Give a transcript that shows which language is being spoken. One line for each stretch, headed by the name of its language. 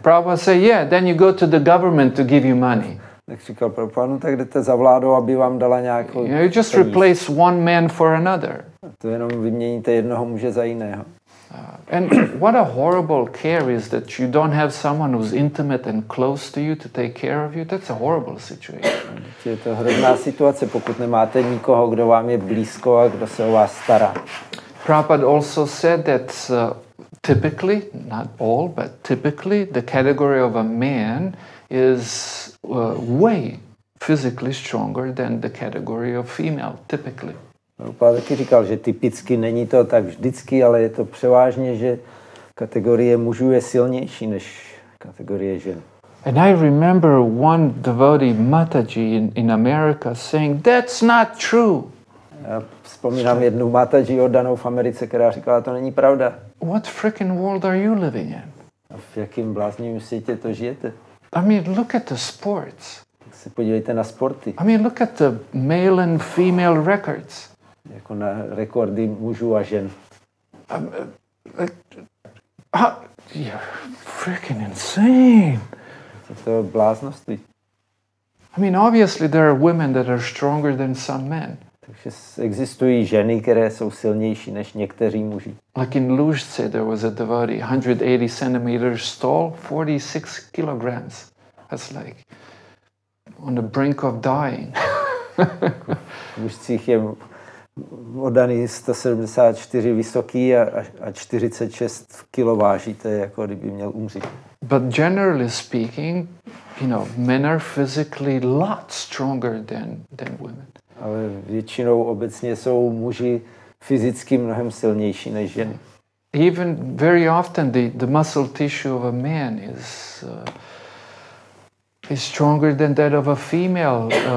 English: Prabhupada say, yeah, then you go to the government to give you money.
Czech: Tak říkal Prabhupada, no tak jdete za vládou, aby vám dala nějakou...
English: You know, you just replace one man for another.
Czech: To jenom vyměníte jednoho muže za jiného.
English: And what a horrible care is that you don't have someone who's intimate and close to you to take care of you. That's a horrible situation.
Czech: Je to hrozná situace, pokud nemáte nikoho, kdo vám je blízko a kdo se o vás stará.
English: Prabhupada also said that typically, not all, but typically, the category of a man is way physically stronger than the category of female, typically.
Czech: Prabhupada taky říkal, že typicky není to tak vždycky, ale je to převážně, že kategorie mužů je silnější než kategorie žen.
English: And I remember one devotee, Mataji, in America saying, that's not true.
Czech: Já vzpomínám jednu Mataji oddanou v Americe, která říkala, to není pravda.
English: What freaking world are you living in?
Czech: A v jakém bláznivém světě to žijete?
English: I mean, look at the sports.
Czech: Tak se podívejte na sporty.
English: I mean, look at the male and female records.
Czech: Jako na rekordy mužů a žen.
English: You're freaking insane.
Czech: To je bláznosti.
English: I mean, obviously there are women that are stronger than some men.
Czech: Takže existují ženy, které jsou silnější než někteří muži.
English: Like in Lužce, there was a devotee, 180 centimeters tall, 46 kilograms. That's like on the brink of dying.
Czech: V Lužcích je oddaný 174 vysoký a 46 kilo váží, to je jako kdyby měl umřít.
English: But generally speaking, you know, men are physically lot stronger than women.
Czech: Ale většinou obecně jsou muži fyzicky mnohem silnější než ženy.
English: Even very often the muscle tissue of a man is stronger than that of a female.